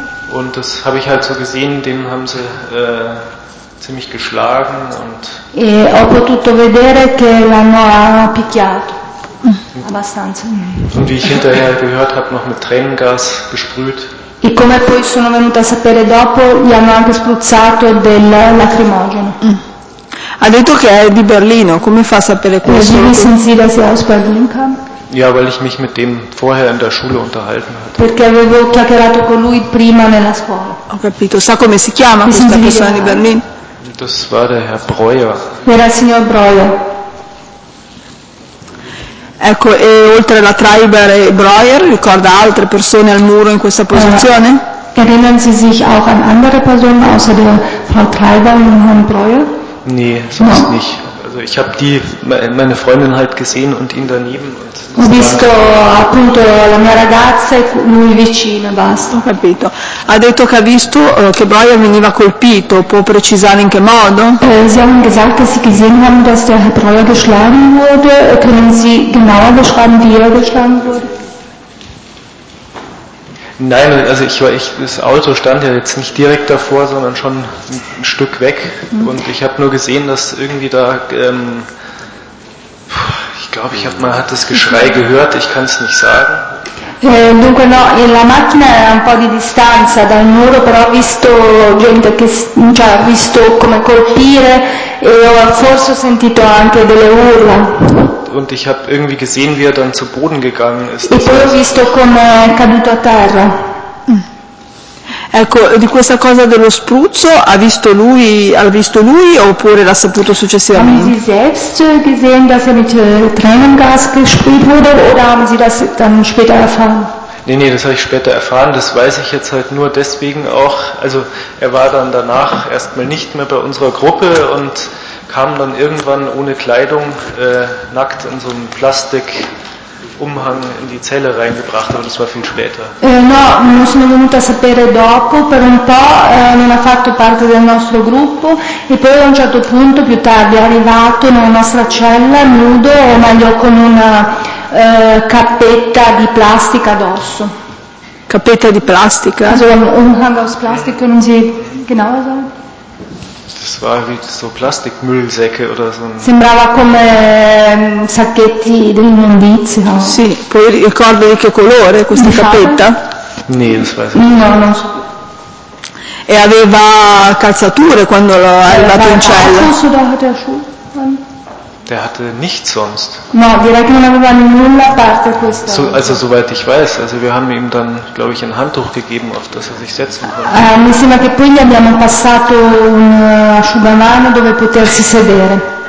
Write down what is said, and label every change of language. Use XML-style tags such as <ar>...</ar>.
<de>Und das habe ich halt so gesehen, den haben sie ziemlich geschlagen und.</de> <it>E ho potuto vedere che l'hanno picchiato. Abbastanza.</it> <de>Und wie ich hinterher gehört habe, noch mit Tränengas besprüht.</de> <it>E come poi sono venuta a sapere dopo, gli hanno anche spruzzato del lacrimogeno. Ha detto che è di Berlino, come fa a sapere questo?</it> <de>Wie wissen Sie, dass er aus Berlin kam? Ja, weil ich mich mit dem vorher in der Schule unterhalten hatte.</de> <it>Perché avevo chiacchierato con lui prima nella scuola. Ho capito. Sa come si chiama questa persona di Berlin?</it> <de>Das war der Herr Breuer.</de> <it>Era il signor Breuer. Ecco, e oltre la Treiber e Breuer, ricorda altre persone al muro in questa posizione?</it> <de>Erinnern Sie sich auch an andere Personen außer der Frau Treiber und Herrn Breuer? Nee, sonst nicht. Also ich habe die meine Freundin halt gesehen und ihn daneben.</de> <it>Ho visto appunto la mia ragazza e lui vicino, basta. Ho capito. Ha detto che ha visto che Brian veniva colpito. Può precisare in che modo?</it> <de>Sie haben gesagt, dass sie gesehen haben, dass der Herr Breuer geschlagen wurde. Können Sie genauer beschreiben, wie er geschlagen wurde? Nein, also das Auto stand ja jetzt nicht direkt davor, sondern schon ein Stück weg. Und ich habe nur gesehen, dass irgendwie da, ich glaube, man hat das Geschrei gehört, ich kann es nicht sagen.</de> <it>Dunque no, la macchina è a un po' di distanza dal muro, però ho visto gente che ha visto come colpire e forse ho sentito anche delle urla.</it> <de>Und ich habe irgendwie gesehen, wie er dann zu Boden gegangen ist.</de> <it>E poi ho visto come è caduto a terra. Ecco, di questa cosa dello spruzzo, ha visto lui oppure l'ha saputo successivamente?</it> <de>Haben Sie selbst gesehen, dass er mit Tränengas gesprüht wurde, oder haben Sie das dann später erfahren? Nee, das habe ich später erfahren, das weiß ich jetzt halt nur deswegen auch. Also er war dann danach erstmal nicht mehr bei unserer Gruppe und kam dann irgendwann ohne Kleidung, nackt in so einem Plastikumhang in die Zelle reingebracht, aber das war viel später.</de> <it>No, non sono venuta a sapere dopo, per un po' non ha fatto parte del nostro gruppo e poi a un certo punto più tardi è arrivato nella nostra cella nudo, o meglio con una cappetta di plastica addosso. Cappetta di plastica?</it> <de>Also un Umhang aus Plastik, können Sie genauer sagen? Das war wie so Plastikmüllsäcke oder so.</de> <it>Sembrava come sacchetti dell'immondizia. Sì, puoi ricordare che colore questa cappetta?</it> <de>Nee, das weiß ich nicht.</de> <it>No, non so. E aveva calzature quando l'ha arrivato in cella?</it> <de>Der hatte nichts sonst.</de> <it>No, direi che non aveva nulla a parte questo.</it> <de>So, also soweit ich weiß, also wir haben ihm dann, glaube ich, ein Handtuch gegeben, auf das er sich setzen konnte.</de> <it>Mi sembra che poi gli abbiamo passato un asciugamano dove potersi sedere.</it>